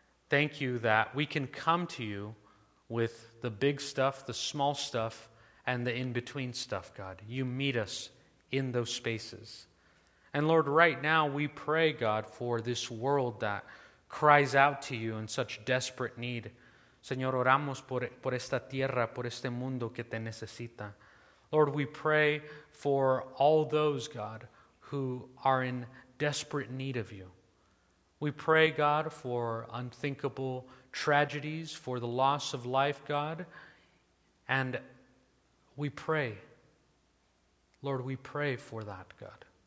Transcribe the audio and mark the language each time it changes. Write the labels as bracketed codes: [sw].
[en] Thank you that we can come to you with the big stuff, the small stuff, and the in-between stuff, God. You meet us in those spaces. And Lord, right now we pray, God, for this world that cries out to you in such desperate need. [es] Señor, oramos por esta tierra, por este mundo que te necesita. [en] Lord, we pray for all those, God, who are in desperate need of you. We pray, God, for unthinkable tragedies, for the loss of life, God. And we pray, Lord, we pray for that, God.